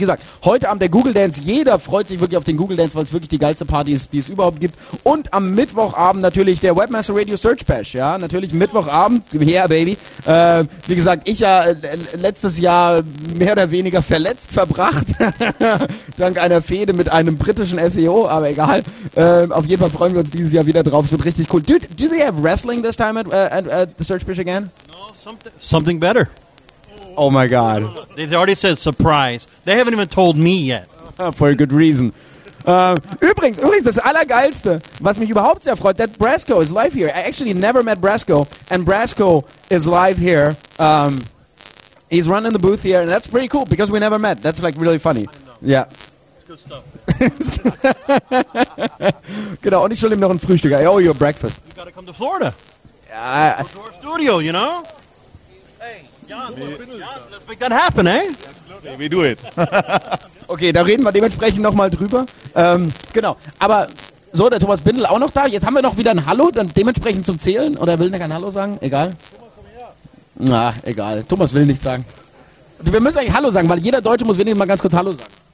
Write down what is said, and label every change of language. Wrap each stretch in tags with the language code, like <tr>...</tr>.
<de>Wie gesagt, heute Abend der Google Dance, jeder freut sich wirklich auf den Google Dance, weil es wirklich die geilste Party ist, die es überhaupt gibt, und am Mittwochabend natürlich der Webmaster Radio Search Bash, ja, natürlich Mittwoch Abend,</de> <en>yeah baby,</en> <de>wie gesagt, ich ja letztes Jahr mehr oder weniger verletzt verbracht, dank einer Fehde mit einem britischen SEO, aber egal, auf jeden Fall freuen wir uns dieses Jahr wieder drauf, es wird richtig cool.</de> <en>Dude, do they have wrestling this time at the Search Bash again? No, something better. Oh my god. They already said surprise, they haven't even told me yet. For a good reason.</en> <de>Übrigens, das Allergeilste, was mich überhaupt sehr freut,</de> <en>that Brasco is live here. I actually never met Brasco, and Brasco is live here. He's running the booth here, and that's pretty cool, because we never met. That's, like, really funny. Yeah. It's good stuff.</en> <de>Genau, und ich schulde ihm noch ein Frühstück.</de> <en>I owe you a breakfast. You gotta come to Florida. Go to our studio, you know? Hey, Jan, let's make that happen, eh? Absolutely. Yeah, we do it.</en> <de>Okay, da reden wir dementsprechend nochmal drüber. Genau, aber so, der Thomas Bindel auch noch da. Jetzt haben wir noch wieder ein Hallo, dann dementsprechend zum Zählen. Oder will der kein Hallo sagen? Egal. Thomas, komm her. Na, egal. Thomas will nichts sagen. Wir müssen eigentlich Hallo sagen, weil jeder Deutsche muss wenigstens mal ganz kurz Hallo sagen.</de>